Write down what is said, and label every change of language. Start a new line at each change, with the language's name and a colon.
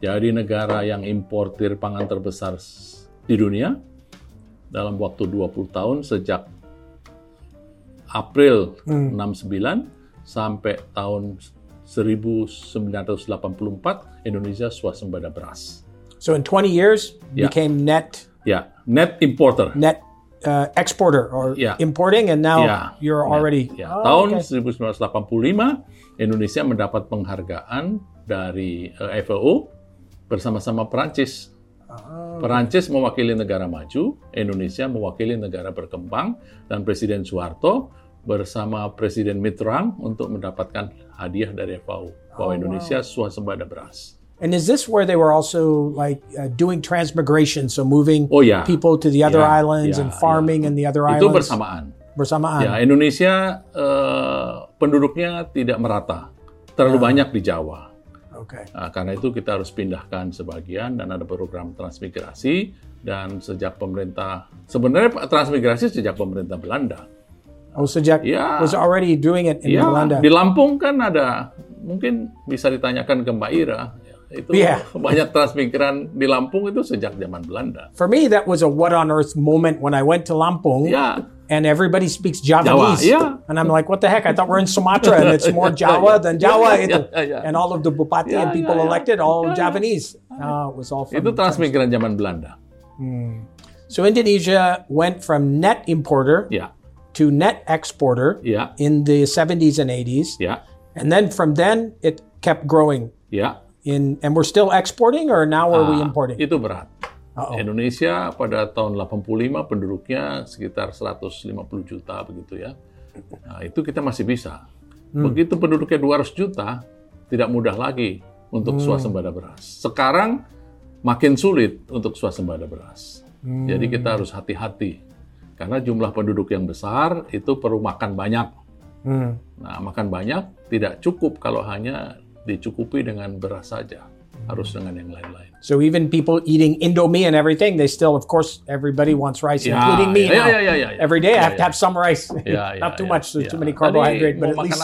Indonesian: Jadi negara yang importir pangan terbesar di dunia dalam waktu 20 tahun sejak April 69 sampai tahun 1984 Indonesia swasembada beras.
English: So in 20 years became net net importer. Net exporter or importing, and now you're already
Indonesian: Tahun 1985 Indonesia mendapat penghargaan dari FAO bersama-sama Perancis. Perancis mewakili negara maju, Indonesia mewakili negara berkembang, dan Presiden Soeharto bersama Presiden Mitterrand untuk mendapatkan hadiah dari FAO bahwa Indonesia swasembada beras.
English: And is this where they were also like doing transmigration, so moving people to the other islands and farming in the other
Indonesian: itu
English: islands?
Indonesian: Itu bersamaan. Bersamaan. Ya, Indonesia penduduknya tidak merata. Terlalu banyak di Jawa. Oke.
English: Okay.
Indonesian: Nah, karena itu kita harus pindahkan sebagian, dan ada program transmigrasi, dan sejak pemerintah, sebenarnya transmigrasi sejak pemerintah Belanda.
English: Oh,
Indonesian: sejak
English: was already doing it in Belanda.
Indonesian: Di Lampung kan ada, mungkin bisa ditanyakan ke Mbak Ira. Itu banyak transmigran di Lampung itu sejak zaman Belanda.
English: For me, that was a what on earth moment when I went to Lampung. Yeah. and everybody speaks Javanese. Jawa, yeah. And I'm like, what the heck? I thought we're in Sumatra and it's more Jawa than Jawa. And all of the bupati and people elected, all Javanese. It was all from
Indonesian: itu transmigran zaman Belanda.
English: So Indonesia went from net importer to net exporter in the 70s and 80s. Yeah. And then from then, it kept growing. Yeah. And we're still exporting or now are we importing?
Indonesian: Itu berat. Uh-oh. Indonesia pada tahun 85 penduduknya sekitar 150 juta begitu ya. Nah, itu kita masih bisa. Begitu penduduknya 200 juta, tidak mudah lagi untuk swasembada beras. Sekarang makin sulit untuk swasembada beras. Jadi kita harus hati-hati. Karena jumlah penduduk yang besar itu perlu makan banyak. Nah, makan banyak tidak cukup kalau hanya dicukupi dengan beras saja. Harus dengan yang lain-lain.
English: So even people eating Indomie and everything, they still, of course, everybody wants rice, including me. Every day I have to have some rice. Not too much, so too many carbohydrates, but at least